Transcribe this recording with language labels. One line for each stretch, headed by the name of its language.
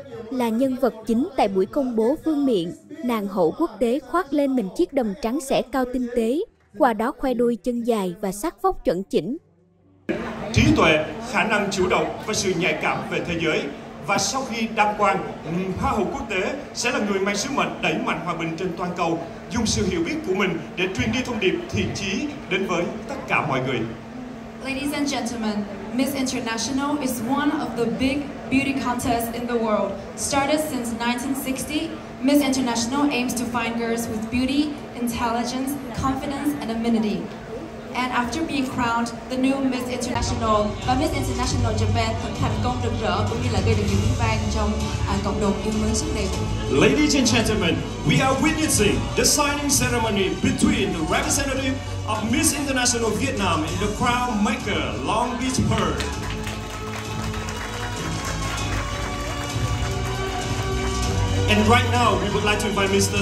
Vietnamese: Là nhân vật chính tại buổi công bố vương miện, nàng hậu quốc tế khoác lên mình chiếc đầm trắng xẻ cao tinh tế, qua đó khoe đôi chân dài và sắc vóc chuẩn chỉnh. Trí tuệ, khả năng chủ động và sự nhạy cảm về thế giới. Và sau khi đăng quang, Hoa hậu quốc tế sẽ là người mang sứ mệnh đẩy mạnh hòa bình trên toàn cầu, dùng sự hiểu biết của mình để truyền đi thông điệp thiện chí đến với tất cả mọi người.
English: Ladies and gentlemen, Miss International is one of the big beauty contests in the world. Started since 1960, Miss International aims to find girls with beauty, intelligence, confidence and amenity. And after being crowned the new Miss International,
Vietnamese: và Miss International Japan thành công rực rỡ cũng như là gây được nhiều tiếng vang trong cộng đồng yêu mến sắc đẹp.
English: Ladies and gentlemen, we are witnessing the signing ceremony between the representative of Miss International Vietnam and the crown maker, Long Beach Pearl. And right now, we would like to invite Mr.